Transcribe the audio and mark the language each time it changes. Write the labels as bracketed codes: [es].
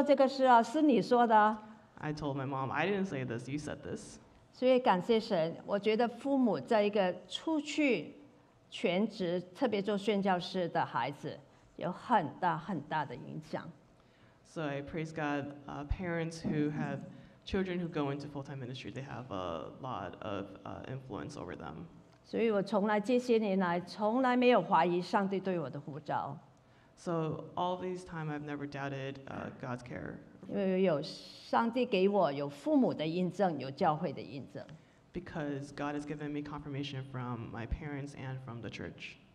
[zh] 所以我跟我妈妈说，我没有说这个事啊，是你说的。 [en] I told my mom, I didn't say this, you said this. [zh] 所以感谢神，我觉得父母在一个出去全职，特别做宣教士的孩子，有很大很大的影响。 [en] So I praise God, parents who have children who go into full-time ministry, they have a lot of influence over them. [zh] 所以我从来这些年来从来没有怀疑上帝对我的呼召。 [en] So all these time I've never doubted God's care. [zh] 因为有上帝给我有父母的印证，有教会的印证。 [en] Because God has given me confirmation from my parents and from the church.